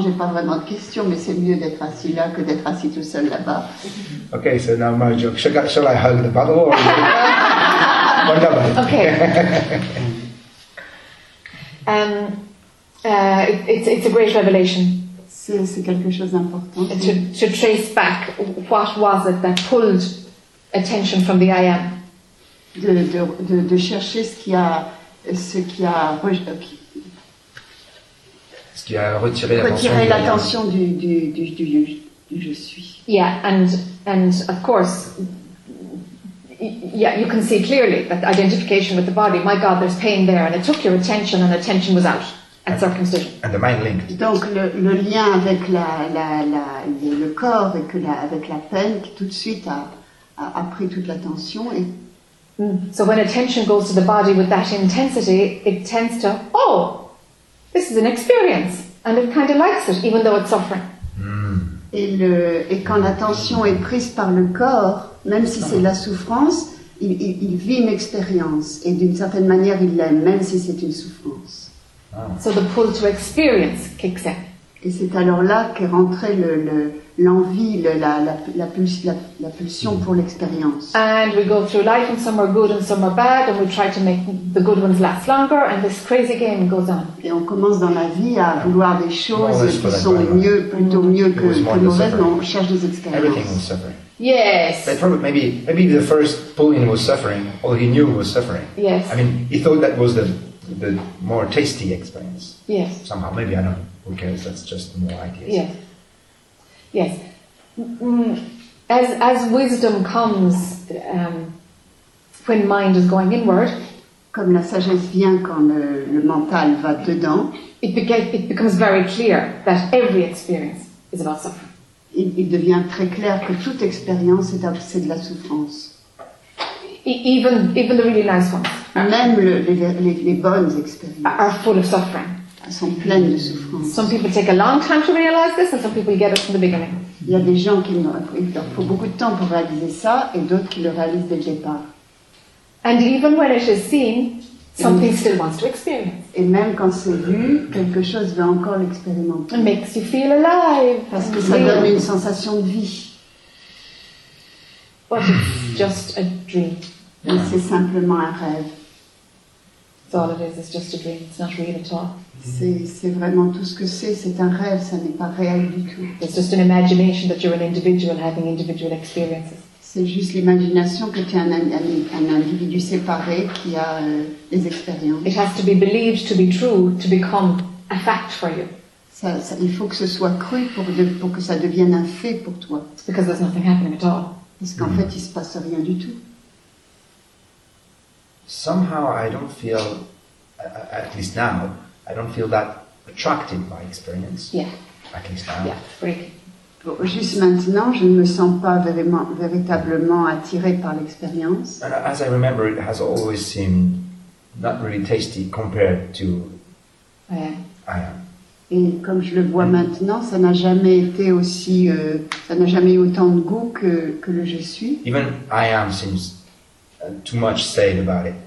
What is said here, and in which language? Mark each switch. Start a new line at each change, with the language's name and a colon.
French: J'ai pas vraiment de questions, mais c'est mieux d'être assis là que d'être assis tout seul là-bas.
English: Okay, so now my joke. Shall I hug the bottle or what about? Okay. It's a great revelation.
French: C'est quelque chose d'important.
English: To trace back what was it that pulled attention from the I am.
French: De chercher ce qui a retiré l'attention du je suis.
English: Yeah, and of course, you can see clearly that identification with the body. My God, there's pain there, and it took your attention, and attention was out. At circumcision. And the mind link.
French: Donc le lien avec le corps et avec la peine qui tout de suite a pris toute l'attention. Et... Mm.
English: So when attention goes to the body with that intensity, it tends to, oh, this is an experience. And it kind of likes it, even though it's suffering. Mm.
French: Et quand l'attention est prise par le corps, même si c'est la souffrance, il vit une expérience. Et d'une certaine manière, il l'aime, même si c'est une souffrance.
English: So the pull to experience kicks in.
French: Et c'est alors là qu'est rentrée la pulsion pour l'expérience.
English: And we go through life, and some are good, and some are bad, and we try to make the good ones last longer, and this crazy game goes on.
French: Et on commence dans la vie à vouloir des choses qui sont mieux, plutôt mieux que mauvaises, mais on cherche des expériences.
English: Everything is suffering. Yes. But probably, maybe the first pulling was suffering. All he knew was suffering. Yes. I mean, he thought that was the more tasty experience. Yes. Somehow, maybe, I don't know. Who cares? That's just more ideas. Yes. Yes. As wisdom comes when mind is going inward,
French: comme la sagesse vient quand le mental va dedans,
English: it becomes very clear that every experience is about suffering.
French: Il devient très clair que toute expérience est de la souffrance.
English: Even the really nice ones.
French: Même les bonnes expériences
English: are full of suffering.
French: Sont pleines de souffrance.
English: Some people take a long time to realize this, and some people get it from the beginning.
French: Il y a des gens qui leur faut beaucoup de temps pour réaliser ça, et d'autres qui le réalisent dès le départ.
English: And even when it is seen, something still wants to experience.
French: Et même quand c'est vu, quelque chose veut encore l'expérimenter.
English: It makes you feel alive.
French: Parce que ça donne une sensation de vie.
English: But it's just a dream.
French: Mais c'est simplement un rêve.
English: It's all it is. It's just a dream. It's not real at all.
French: C'est vraiment tout ce que c'est un rêve, ça n'est pas réel du tout.
English: It's just an imagination that you're an individual having individual experiences.
French: C'est juste l'imagination que tu es un individu séparé qui a des expériences.
English: It has to be believed to be true to become a fact for you.
French: Ça, il faut que ce soit cru pour que ça devienne un fait pour toi.
English: It's because there's nothing happening at all.
French: Parce qu'en fait, il se passe rien du tout.
English: Somehow, I don't feel, at least now, I don't feel that attracted by experience. Yeah. At least now. Yeah. Right.
French: Bon, juste maintenant, je ne me sens pas véritablement attiré par l'expérience.
English: As I remember, it has always seemed not really tasty compared to. Ouais. I am.
French: Et comme je le vois maintenant, ça n'a jamais été aussi, ça n'a jamais eu autant de goût que le je suis.
English: Even I am seems too much said about it.